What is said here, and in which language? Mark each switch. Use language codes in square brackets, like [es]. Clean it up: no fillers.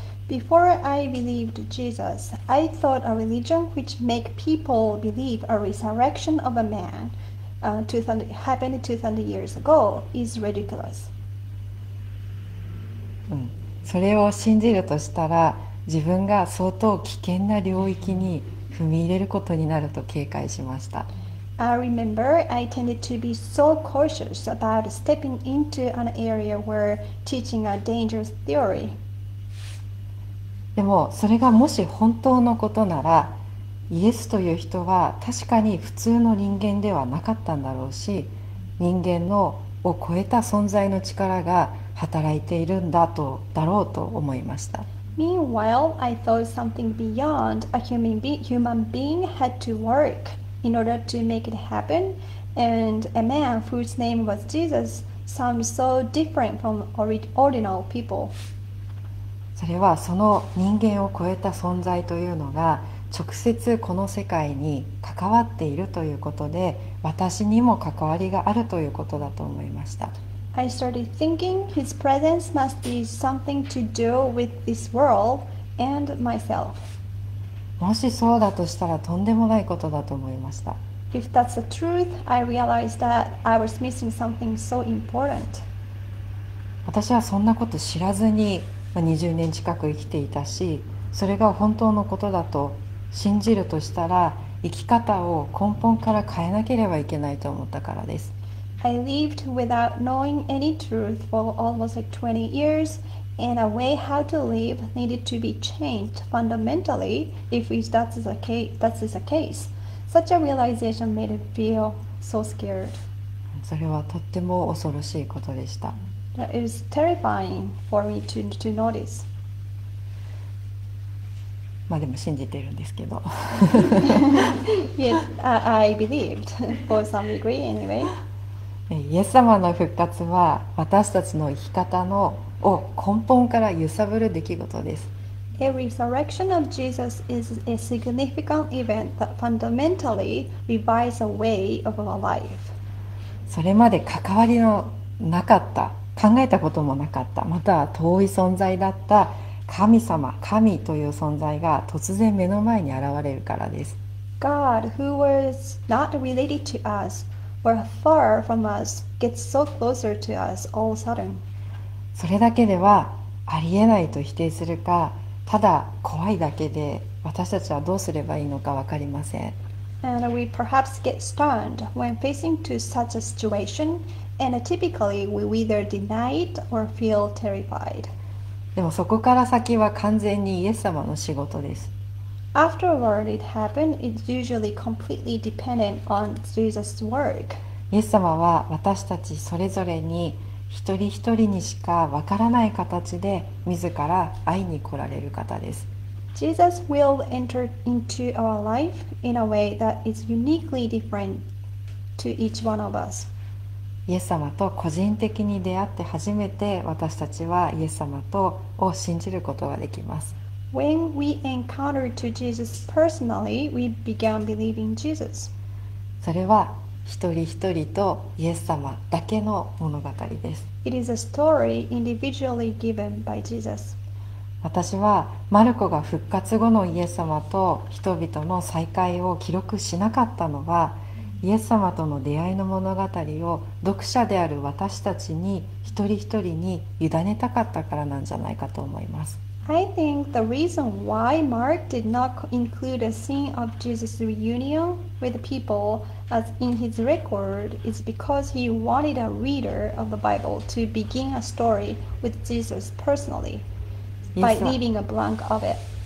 [en] Before I believed Jesus, I thought a religion which makes people believe a resurrection of a man, 200, happened 200 years ago is ridiculous. [ja] それを信じるとしたら、自分が相当危険な領域に踏み入れることになると警戒しました。 [en] I remember I tended to be so cautious about stepping into an area where teaching a dangerous theory. [ja] でもそれがもし本当のことなら、イエスという人は確かに普通の人間ではなかったんだろうし、人間のを超えた存在の力が働いているんだと、だろうと思いました。 [en] Meanwhile, I thought something beyond a human being had to work in order to make it happen, and a man whose name was Jesus sounds so different from ordinary people. [ja] それはその人間を超えた存在というのが、直接この世界に関わっているということで、私にも関わりがあるということだと思いました。 [en] I started thinking his presence must be something to do with this world and myself. [ja] もしそうだとしたらとんでもないことだと思いました。 [en] If that's the truth, I realized that I was missing something so important. [ja] 私はそんなこと知らずに20年近く生きていたし、それが本当のことだと信じるとしたら、生き方を根本から変えなければいけないと思ったからです。 [en] I lived without knowing any truth for almost like 20 years, and a way how to live needed to be changed fundamentally if that's the case. Such a realization made me feel so scared. [ja] それはとっても恐ろしいことでした。 [en] That is terrifying for me to notice. [ja] まあでも信じているんですけど。 [en] Yes, I believed for some degree anyway. [ja] イエス様の復活は私たちの生き方のを根本から揺さぶる出来事です。 [en] A resurrection of Jesus is a significant event that fundamentally revives a way of our life. [ja] それまで関わりのなかった、考えたこともなかった、または遠い存在だった神様、神という存在が突然目の前に現れるからです。 [en] God, who was not related to us, or far from us, gets so closer to us all of a sudden. [ja] それだけではありえないと否定するか、ただ怖いだけで私たちはどうすればいいのか分かりません。 [en] And we perhaps get stunned when facing to such a situation, and typically we either deny it or feel terrified. [ja] でもそこから先は完全にイエス様の仕事です。 [en] After a word it happened, it's usually completely dependent on Jesus' work. [ja] イエス様は私たちそれぞれに一人一人にしかわからない形で自ら会いに来られる方です。 [en] Jesus will enter into our life in a way that is uniquely different to each one of us. [ja] イエス様と個人的に出会って初めて私たちはイエス様とを信じることができます。 [en] When we encounter to Jesus personally, we began believing Jesus. [ja] それは一人一人とイエス様だけの物語です。 [en] It is a story individually given by Jesus. [ja] 私はマルコが復活後のイエス様と人々の再会を記録しなかったのは、イエス様との出会いの物語を読者である私たちに一人一人に委ねたかったからなんじゃないかと思います。 [en] I think the reason why Mark did not include a scene of Jesus' reunion with people as in his record is because he wanted a reader of the Bible to begin a story with Jesus personally by leaving a blank of it.